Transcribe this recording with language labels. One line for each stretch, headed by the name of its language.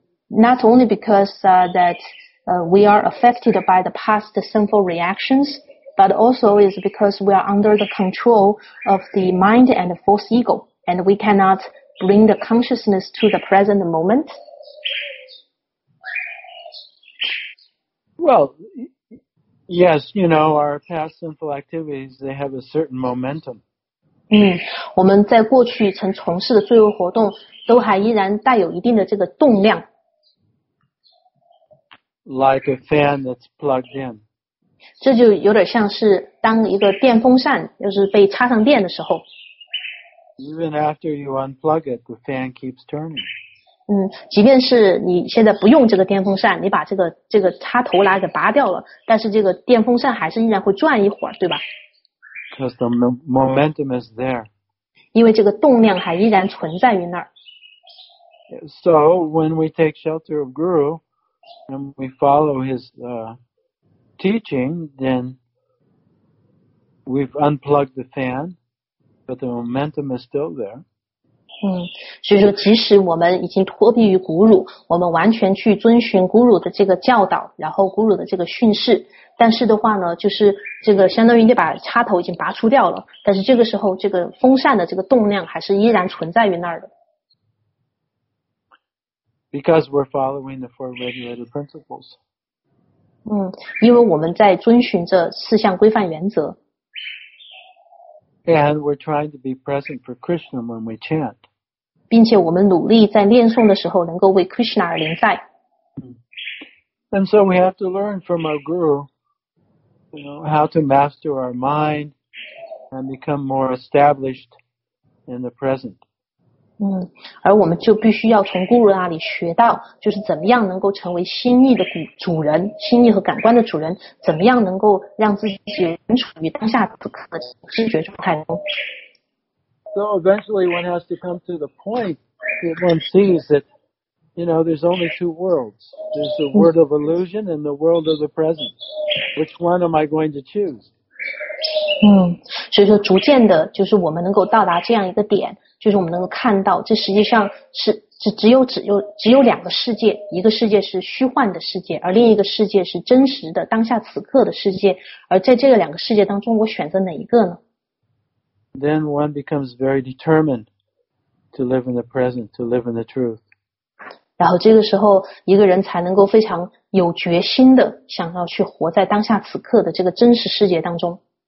English: Not only because we are affected by the past sinful reactions, but also is because we are under the control of the mind and the false ego, and we cannot bring the consciousness to the present moment. Well, yes, you know, our past sinful activities, they have a certain momentum.
Chinese: 我们在过去曾从事的罪恶活动都还依然带有一定的这个动量。
English: Like a fan that's plugged in.
Chinese: 这就有点像是当一个电风扇就是被插上电的时候。
English: Even after you unplug it, the fan keeps turning.
Chinese: 即便是你现在不用这个电风扇，你把这个插头拿给拔掉了，但是这个电风扇还是依然会转一会儿，对吧？
English: Because the momentum is there.
Chinese: 因为这个动量还依然存在于那儿。
English: So when we take shelter of Guru and we follow his teaching, then we've unplugged the fan, but the momentum is still there.
Chinese: 所以说即使我们已经脱离于古鲁，我们完全去遵循古鲁的这个教导，然后古鲁的这个训示，但是的话呢就是这个相当于你把插头已经拔出掉了，但是这个时候这个风扇的这个动量还是依然存在于那儿的。
English: Because we're following the four regulated principles.
Chinese: 因为我们在遵循这四项规范原则。
English: And we're trying to be present for Krishna when we chant.
Chinese: 并且我们努力在念诵的时候能够为 Krishna 而临在。
English: And so we have to learn from our guru, you know, how to master our mind and become more established in the present.
Chinese: 而我们就必须要从 guru 那里学到，就是怎么样能够成为心意的主人，心意和感官的主人，怎么样能够让自己人处于当下此刻的知觉状态中。
English: So eventually one has to come to the point that one sees that, you know, there's only two worlds. There's the world of illusion and the world of the present. Which one am I going to choose?
Chinese: 所以说逐渐的就是我们能够到达这样一个点，就是我们能够看到这实际上是只有两个世界，一个世界是虚幻的世界，而另一个世界是真实的当下此刻的世界，而在这个两个世界当中我选择哪一个呢？
English: Then one becomes very determined to live in the present, to live in the truth.
Chinese: 然后这个时候一个人才能够非常有决心的想要去活在当下此刻的这个真实世界当中。